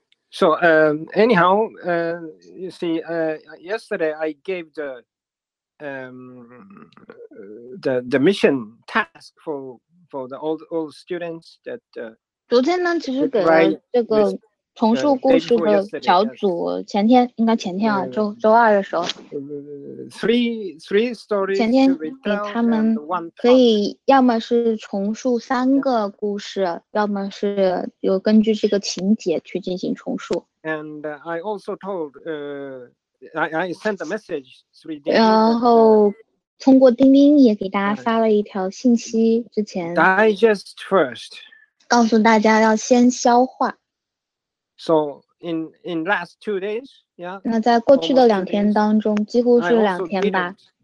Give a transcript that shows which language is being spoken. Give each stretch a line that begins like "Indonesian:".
English: So anyhow, you see, yesterday I gave the mission task for the old students that.
Chinese: 昨天呢，其实给了这个重述故事的小组，前天应该前天啊，周二的时候。
English: Three stories.
Chinese: 前天给他们可以，要么是重述三个故事，要么是有根据这个情节去进行重述。
English: And I also told, I sent a message 3 days.
Chinese: 然后通过钉钉也给大家发了一条信息。之前
English: digest first,
Chinese: 告诉大家要先消化。
English: So in last 2 days, yeah.
Chinese: 那在过去的两天当中，几乎是两天吧。